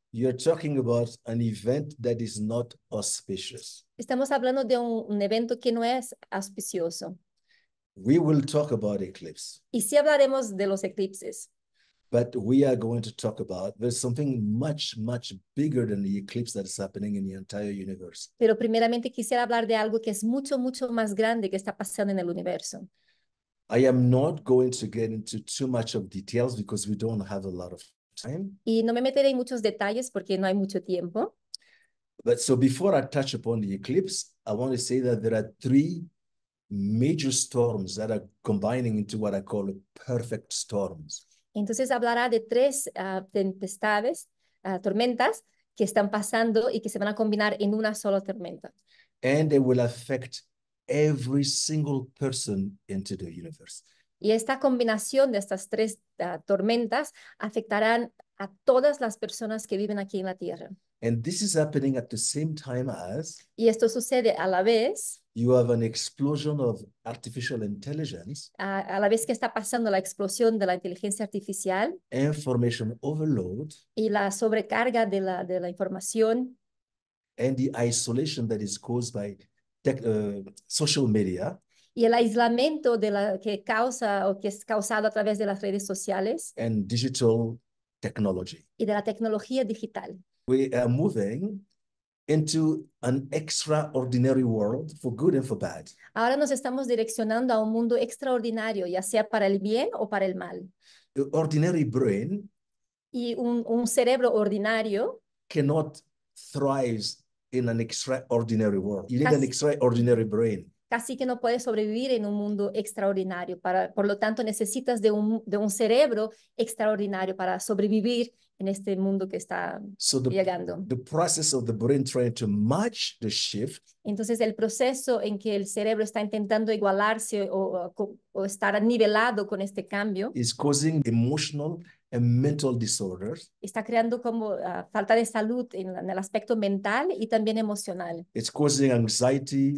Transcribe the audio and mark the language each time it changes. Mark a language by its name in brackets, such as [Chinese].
[English] you're talking about an event that is not auspicious. [Spanish] Estamos hablando de un evento que no es auspicioso. [English] We will talk about eclipse. [Spanish] Y sí hablaremos de los eclipses. [English] But we are going to talk about, there's something much, much bigger than the eclipse that is happening in the entire universe. [Spanish] Pero primeramente quisiera hablar de algo que es mucho, mucho más grande que está pasando en el universo. [English] I am not going to get into too much of details because we don't have a lot of time. [Spanish] Y no me meteré en muchos detalles porque no hay mucho tiempo. [English] But so before I touch upon the eclipse, I want to say that there are three major storms that are combining into what I call perfect storms. [Spanish] Entonces hablará de tres tempestades, tormentas que están pasando y que se van a combinar en una sola tormenta. [English] And they will affect every single person into the universe. [Spanish] Y esta combinación de estas tres tormentas afectarán a todas las personas que viven aquí en la Tierra. [English] And this is happening at the same time as [Spanish] y esto sucede a la vez [English] you have an explosion of artificial intelligence, [Spanish] a la vez que está pasando la explosión de la inteligencia artificial, [English] information overload, [Spanish] y la sobrecarga de la información, [English] and the isolation that is caused by social media, [Spanish] y el aislamiento de la que causa o que es causado a través de las redes sociales, [English] and digital technology, [Spanish] y de la tecnología digital. [English] We are moving into an extraordinary world for good and for bad. [Spanish] Ahora nos estamos direccionando a un mundo extraordinario, ya sea para el bien o para el mal. [English] The ordinary brain [Spanish] y un cerebro ordinario [English] cannot thrive in an extraordinary world. You need an extraordinary brain. [Spanish] Casi que no puedes sobrevivir en un mundo extraordinario. Por lo tanto, necesitas de un cerebro extraordinario para sobrevivir en este mundo que está llegando. [English] The process of the brain trying to match the shift. [Spanish] Entonces, el proceso en que el cerebro está intentando igualarse o estar nivelado con este cambio [English] is causing emotional and mental disorders. [Spanish] Está creando como falta de salud en el aspecto mental y también emocional. [English] It's causing anxiety,